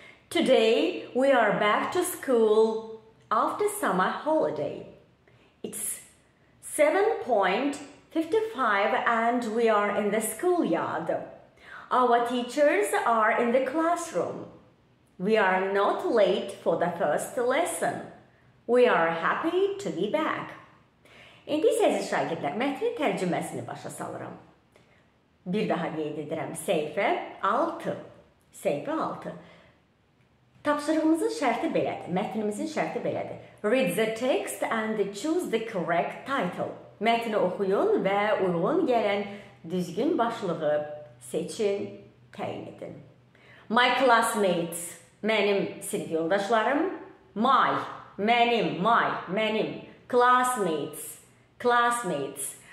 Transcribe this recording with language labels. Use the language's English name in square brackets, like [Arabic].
[English] Today we are back to school. After summer holiday, it's 7:55 and we are in the schoolyard. Our teachers are in the classroom. We are not late for the first lesson. We are happy to be back. [Azerbaijani] İndi sizə şagirdlər, mətni tərcüməsini başa salıram. Bir daha qeyd edirəm, səhifə 6. Səhifə 6. Tapşırığımızın şərti belədir, mətnimizin şərti belədir. [English] Read the text and choose the correct title. [Azerbaijani] Mətni oxuyun və uyğun gələn düzgün başlığı seçin, təyin edin. [English] My classmates, [Azerbaijani] mənim sinif yoldaşlarım. [English] My, [Azerbaijani] mənim, [English] my, mənim. Classmates, classmates.